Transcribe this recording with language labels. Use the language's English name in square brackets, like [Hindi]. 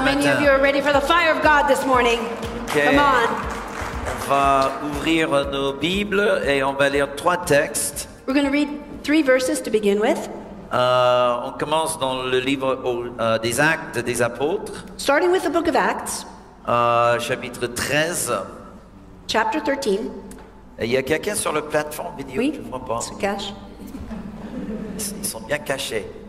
[English] How many of you are ready for the fire of God this morning? Okay. Come on. [French] On va ouvrir nos Bibles et on va lire trois textes. [English] We're going to read three verses to begin with. [French] On commence dans le livre des Actes des Apôtres. [English] Starting with the book of Acts. [French] Chapitre 13. [English] Chapter 13. [French] Il y a quelqu'un sur la plateforme vidéo, oui, je ne vois pas. Se cache. Ils sont bien cachés.